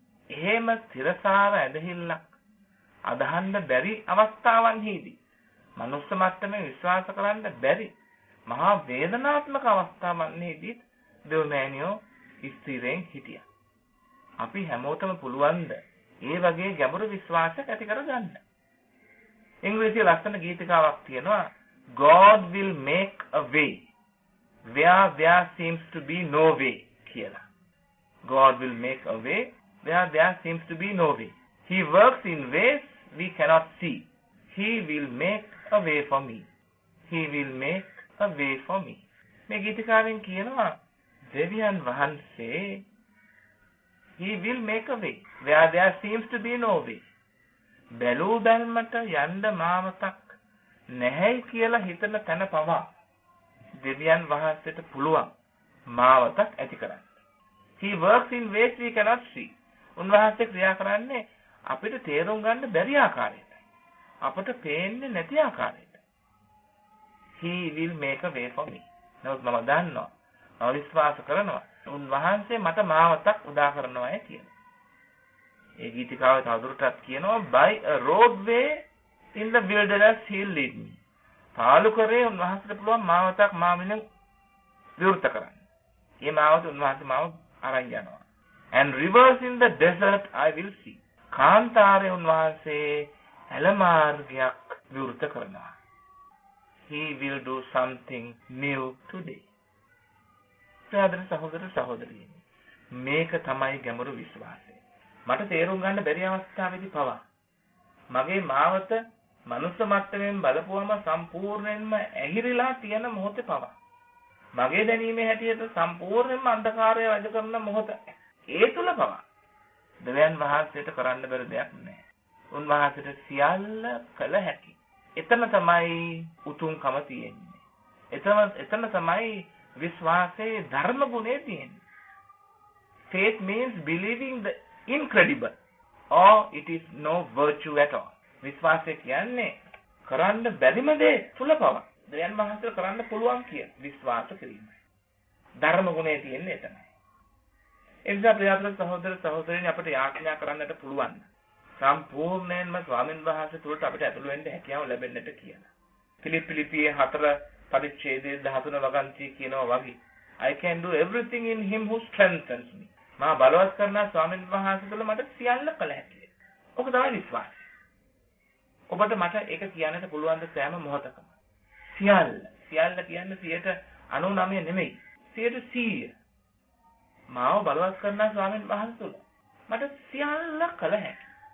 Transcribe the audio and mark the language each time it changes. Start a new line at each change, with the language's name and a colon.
Sinhala: එහෙම තිරසාව ඇදහිල්ලක් අදහන්න බැරි අවස්ථාවන්හිදී මනුස්ස මට්ටමේ විශ්වාස කරන්න බැරි මහා වේදනාත්මක අවස්ථාවන්හිදී දෙවමෑනියෝ ස්ථිරයෙන් හිටියා. අපි හැමෝටම පුළුවන්ද ඒ වගේ ගැඹුරු විශ්වාසයක් ඇති කරගන්න? ඉංග්‍රීසි ලස්සන ගීතිකාවක් තියෙනවා,
English: God will make a way where seems to be no way
Sinhala: කියලා.
English: God will make a way where seems to be no way. He works in ways we cannot see. He will make a way for me. He will make a way for me.
Sinhala: මේ ගීතිකාවෙන් කියනවා දෙවියන් වහන්සේ
English: He will make a way where seems to be no way.
Sinhala: බැලූ බැල්මට යන්න මාවතක් නැහැයි කියලා හිතන තැන පවා දෙවියන් වහන්සේට පුළුවන් මාවතක් ඇති කරන්න.
English: He works in ways we cannot see.
Sinhala: උන්වහන්සේ ක්‍රියා කරන්නේ අපිට තේරුම් ගන්න බැරි ආකාරයට. අපට පේන්නේ නැති ආකාරයට.
English: he will make a way for me.
Sinhala: නමුත් මම දන්නවා මම විශ්වාස කරනවා උන්වහන්සේ මට මාවතක් උදා කරනවායි කියලා. ඒ ගීතිකාවේ තවදුරටත් කියනවා
English: by a roadway in the wilderness he'll lead me.
Sinhala: පාළු කරේ උන්වහන්සේට පුළුවන් මාවතක් මාමින විවෘත කරන්න. ඒ මාවත උන්වහන්සේ මාව අරන් යනවා.
English: And rivers in the desert I will see.
Sinhala: කාන්තාරේ උන්වහන්සේ ඇලමාර්ගයක් විවෘත කරනවා.
English: He will do something new today.
Sinhala: සහෝදර සහෝදර සහෝදරියනි මේක තමයි ගැඹුරු විශ්වාසය. මට තේරුම් ගන්න බැරි අවස්ථාවේදී පවා මගේ මාවත මනුස්ස මට්ටමින් බලපුවම සම්පූර්ණයෙන්ම ඇහිරිලා තියෙන මොහොතේ පවා මගේ දැනීමේ හැටියට සම්පූර්ණයෙන්ම අන්ධකාරය වැඩ කරන මොහොත ඒ තුල පවා දෙවියන් වහන්සේට කරන්න බැරි දෙයක් නැහැ. උන්වහන්සේට සියල්ල කළ හැකි. එතන තමයි උතුම්කම තියෙන්නේ. එතන තමයි විශ්වාසයේ ධර්ම ගුණේ තියෙන්නේ.
English: Faith means believing the incredible or it is no virtue at all.
Sinhala: විශ්වාසය කියන්නේ කරන්න බැරිම දේ තුල පවා දෙවියන් වහන්සේට කරන්න පුළුවන් කියන විශ්වාස කිරීම. ධර්ම ගුණේ තියෙන්නේ එතනයි. ඒ නිසා ප්‍රියතුල සහෝදර සහෝදරියනි අපට යාඥා කරන්නට පුළුවන් සම්පූර්ණයෙන්ම ස්වාමීන් වහන්සේ තුලට අපිට ඇතුළු වෙන්න හැකියාව ලැබෙන්නට කියලා. ෆිලිප්පීයේ 4 පරිච්ඡේදයේ 13 වගන්තිය කියනවා වගේ
English: I can do everything in him who strengthens me.
Sinhala: මා බලවත් කරන ස්වාමීන් වහන්සේ තුල මට සියල්ල කළ හැකියි. ඔක තමයි විශ්වාසය. ඔබට මට ඒක කියන්නට පුළුවන් ද සෑම මොහොතකම. සියල්ල කියන්නේ 99 නෙමෙයි. 100. මාව බලවත් කරන ස්වාමීන් වහන්සේ තුල මට සියල්ල කළ හැකියි.